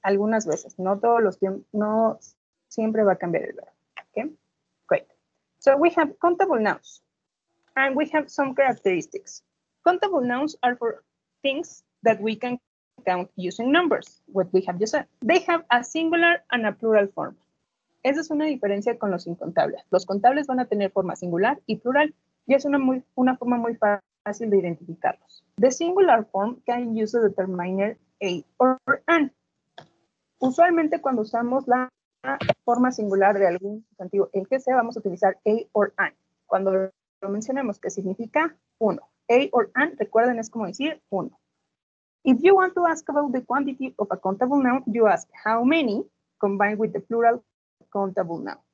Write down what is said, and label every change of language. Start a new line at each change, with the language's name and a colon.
Spanish: Algunas veces, no todos los tiempos, no siempre va a cambiar el verbo, ¿okay?
English: Great. So we have countable nouns, and we have some characteristics. Countable nouns are for things that we can count using numbers, what we have just said. They have a singular and a plural form.
Spanish: Esa es una diferencia con los incontables. Los contables van a tener forma singular y plural, y es una forma muy fácil de identificarlos.
English: The singular form can use the determiner a or an.
Spanish: Usualmente cuando usamos la forma singular de algún sustantivo, el que sea, vamos a utilizar a or an. Cuando lo mencionemos, ¿qué significa? Uno. A or an, recuerden, es como decir uno.
English: If you want to ask about the quantity of a countable noun, you ask how many combined with the plural countable noun.